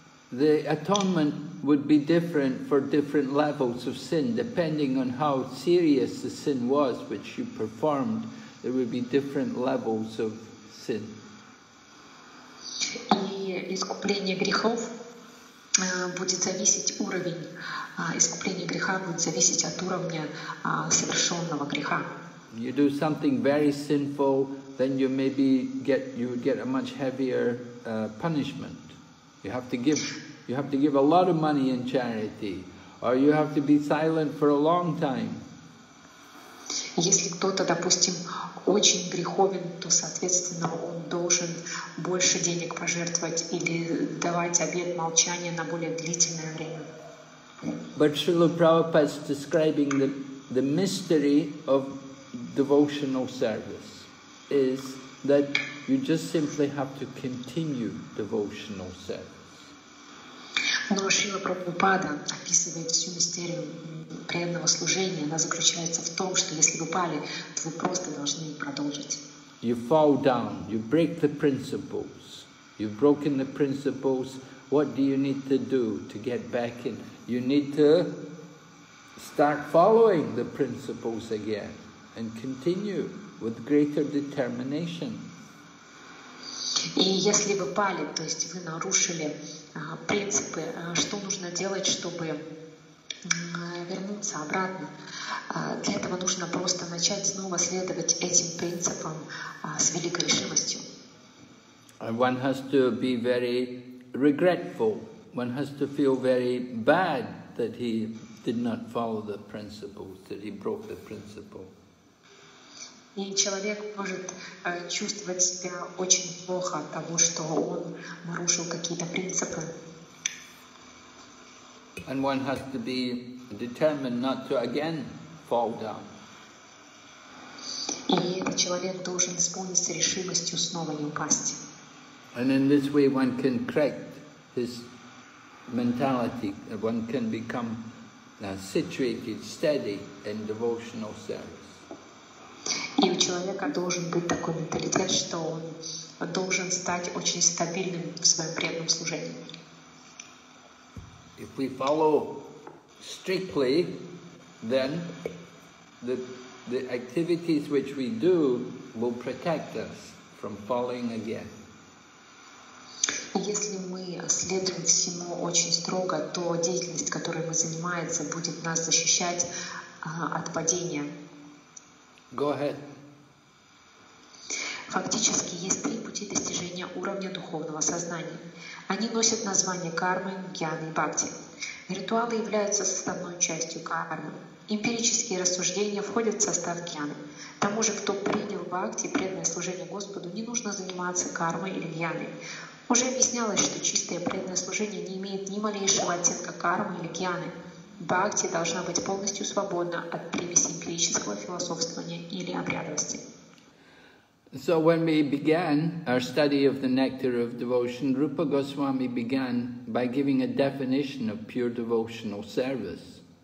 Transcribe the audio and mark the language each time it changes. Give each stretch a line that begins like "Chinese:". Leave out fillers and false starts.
English: The atonement would be different for different levels of sin, depending on how serious the sin was which you performed. There would be different levels of sin.
Russian: И искупление грехов будет зависеть уровень. Искупление греха будет зависеть от уровня совершенного греха.
English: You do something very sinful, then you maybe get a much heavier punishment. You have to give a lot of money in charity, or you have to be silent for a long time.
Russian: Если кто-то, допустим, очень греховен, то, соответственно, он должен больше денег пожертвовать или давать обет молчания на более длительное время.
English: But Srila Prabhupada is describing the mystery of devotional service is that you just simply have to continue devotional service.
Russian: Но Шрила Прабхупада описывает всю мистерию преданного служения. Она заключается в том, что если вы пали, то вы просто должны продолжить.
English: You fall down, you break the principles. You've broken the principles. What do you need to do to get back in? You need to start following the principles again and continue with greater determination.
Russian: И если вы пали, то есть вы нарушили принципы, что нужно делать, чтобы вернуться обратно? Для этого нужно просто начать снова следовать этим принципам с великой решимостью.
English: One has to be very regretful. One has to feel very bad that he did not follow the principles, that he broke the principle.
Russian: И человек может чувствовать себя очень плохо от того, что он нарушил какие-то принципы.
English: And one has to be determined not to again fall down.
Russian: И этот человек должен исполниться решимостью снова не упасть.
English: And in this way one can correct his mentality, one can become situated, steady in devotional service.
Russian: И у человека должен быть такой менталитет, что он должен стать очень стабильным в своем преданном служении.
English: If we follow strictly, then the activities which we do will protect us from falling again.
Russian: Если мы следуем всему очень строго, то деятельность, которой мы занимаемся, будет нас защищать от падения.
English: Go ahead.
Russian: Фактически, есть три пути достижения уровня духовного сознания. Они носят название кармы, гьяны и бхакти. Ритуалы являются составной частью кармы. Эмпирические рассуждения входят в состав гьяны. Тому же, кто принял бхакти, преданное служение Господу, не нужно заниматься кармой или гьяной. Уже объяснялось, что чистое преданное служение не имеет ни малейшего оттенка кармы или гьяны. Бхакти должна быть полностью свободна от примеси эмпирического философствования или обрядовости.
English: So when we began our study of the nectar of devotion, Rupa Goswami began by giving a definition of pure devotional service.